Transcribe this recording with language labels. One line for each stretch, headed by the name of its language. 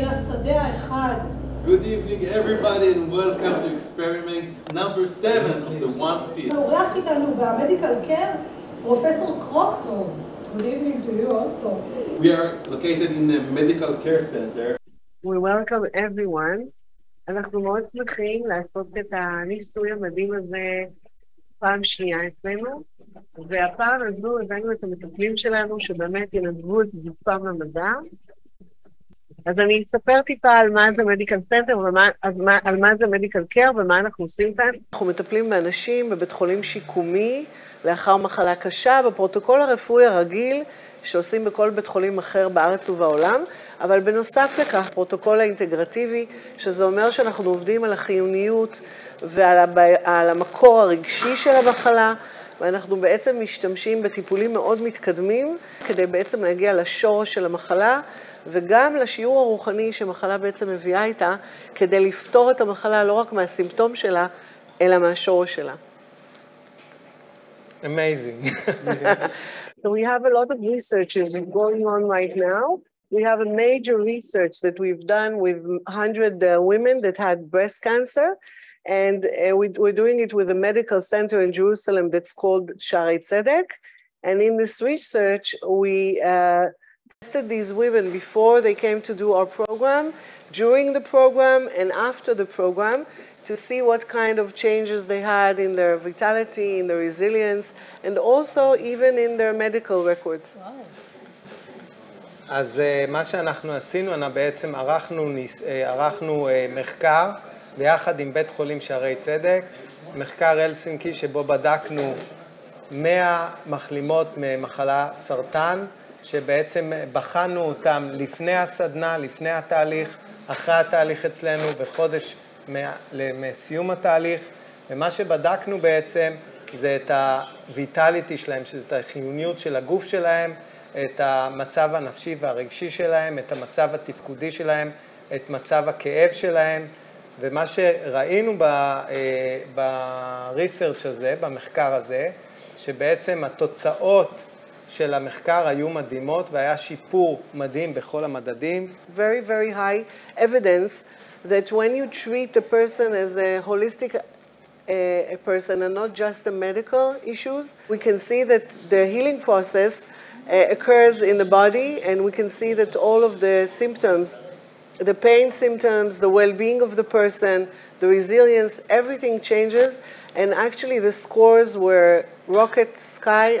English: everybody and welcome to experiment number 7 of the one field. We are here in the medical care, Professor Crockton. Good evening to you also. We are located in the medical care center. We welcome everyone.
Hebrew: אנחנו מאוד שמחים לעשות את הניסוי המדהים הזה פעם שנייה אצלנו, והפעם הזו הבאנו את המטפלים שלנו שבאמת ינדבו את גופם למדע. אז אני אספר טיפה על מה זה מדיקל סנטר ועל מה זה מדיקל קר ומה אנחנו עושים כאן. אנחנו מטפלים באנשים בבית חולים שיקומי לאחר מחלה קשה בפרוטוקול הרפואי הרגיל שעושים בכל בית חולים אחר בארץ ובעולם. אבל בנוסף לכך, פרוטוקול האינטגרטיבי, שזה אומר שאנחנו עובדים על החיוניות ועל המקור הרגשי של המחלה, ואנחנו בעצם משתמשים בטיפולים מאוד מתקדמים, כדי בעצם להגיע לשורש של המחלה, וגם לשיעור הרוחני שמחלה בעצם מביאה איתה, כדי לפתור את המחלה לא רק מהסימפטום שלה, אלא מהשורש שלה.
English: Amazing. So we have a lot of researches going on right now. We have a major research that we've done with 100 women that had breast cancer, and we're doing it with a medical center in Jerusalem that's called Shari Tzedek. And in this research, we tested these women before they came to do our program, during the program, and after the program, to see what kind of changes they had in their vitality, in their resilience, and also even in their medical records. Wow.
Hebrew: אז מה שאנחנו עשינו, אנחנו בעצם ערכנו מחקר ביחד עם בית חולים שערי צדק, מחקר הלסינקי שבו בדקנו 100 מחלימות ממחלה סרטן, שבעצם בחנו אותם לפני הסדנה, לפני התהליך, אחרי התהליך אצלנו וחודש מסיום התהליך, ומה שבדקנו בעצם זה את הויטליטי שלהם, שזה את החיוניות של הגוף שלהם, את המצב הנפשי והרגשי שלהם, את המצב התפקודי שלהם, את מצב הכאב שלהם, ומה שראינו בריסרצ' הזה, במחקר הזה, שבעצם התוצאות של המחקר היו מדהימות, והיה שיפור מדהים בכל המדדים.
English: Very, very high evidence that when you treat the person as a holistic person and not just the medical issues, we can see that the healing process occurs in the body, and we can see that all of the symptoms, the pain symptoms, the well-being of the person, the resilience, everything changes, and actually the scores were rocket sky.